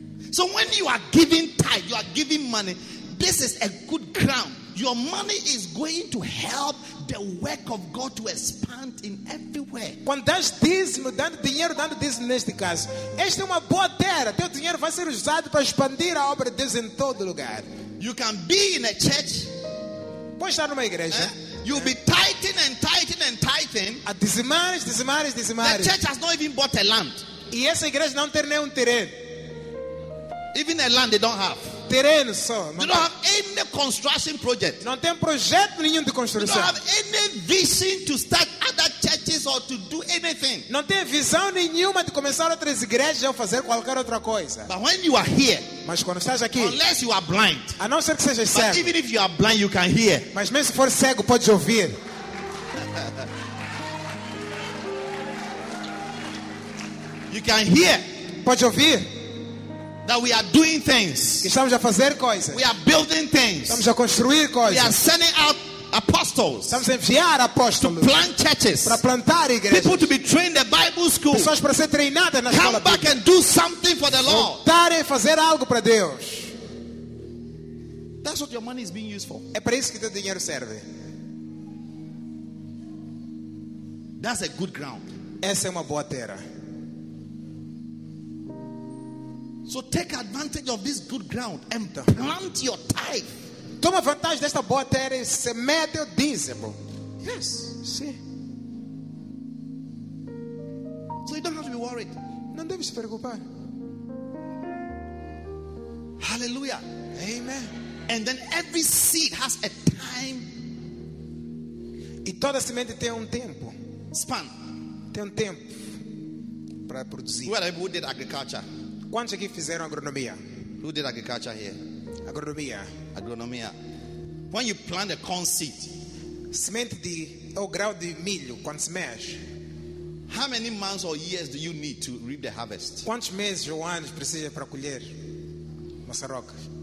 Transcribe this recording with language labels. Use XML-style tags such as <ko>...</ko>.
<en>So when you are giving tithe, you are giving money, this is a good ground. Your money is going to help the work of God to expand in everywhere.</en> <pt>Quando dás dízimo, dando dinheiro, dando dízimo neste caso, esta é uma boa terra. Teu dinheiro vai ser usado para expandir a obra de Deus em todo lugar.</pt> <en>You can be in a church.</en> <pt>Pode estar numa igreja.</pt> <en>You'll be tithing and tithing and tithing.</en> <pt>A dizimar, dizimar, dizimar.</pt> <en>The church has not even bought a land.</en> <pt>E essa igreja não tem nenhum terreno.</pt> <en>Even a land they don't have.</en> <pt>Terreno só.</pt> <en>They don't have any construction project.</en> <pt>Não tem projeto nenhum de construção.</pt> <en>They don't have any vision to start other churches or to do anything.</en> <pt>Não tem visão nenhuma de começar outras igrejas ou fazer qualquer outra coisa.</pt> <en>But when you are here,</en> <pt>mas quando estás aqui,</pt> <en>unless you are blind,</en> <pt>a não ser que seja</pt> <en>but</en> <pt>cego.</pt> <en>Even if you are blind, you can hear.</en> <pt>Mas mesmo se for cego, podes ouvir.</pt> <en>You can hear.</en> <pt>Podes ouvir.</pt> <en>That we are doing things.</en> <pt>Estamos a fazer coisas.</pt> <en>We are building things.</en> <pt>Estamos a construir coisas.</pt> <en>We are sending out apostles.</en> <pt>Estamos a enviar apóstolos.</pt> <en>To plant churches.</en> <pt>Para plantar igrejas.</pt> <en>People to be trained at Bible school.</en> <pt>Pessoas para ser treinadas na</pt> <en>come</en> <pt>escola.</pt> <en>Come back and do something for the Lord.</en> <pt>Voltar e fazer algo para Deus.</pt> <en>That's what your money is being used for.</en> <pt>É para isso que teu dinheiro serve.</pt> <en>That's a good ground.</en> <pt>Essa é uma boa terra.</pt> <en>So take advantage of this good ground and plant your tithe.</en> <pt>Toma vantagem desta boa terra e semeia teu dízimo.</pt> <en>Yes, see. So you don't have to be worried.</en> <pt>Não deve se preocupar.</pt> <en>Hallelujah. Amen. And then every seed has a time.</en> <pt>E toda semente tem tempo.</pt> <en>Span.</en> <pt>Tem tempo para produzir.</pt> <en>Well, who did agriculture?</en> <pt>Quantos aqui fizeram agronomia?</pt> <en>Who did agriculture here?</en> <pt>Agronomia.</pt> <en>Agronomia. When you plant a corn seed,</en> <pt>semente de ou grão de milho, quando semeias,</pt> <en>how many months or years do you need to reap the harvest?</en> <pt>Quantos meses ou anos precisa para colher maçaroca?</pt>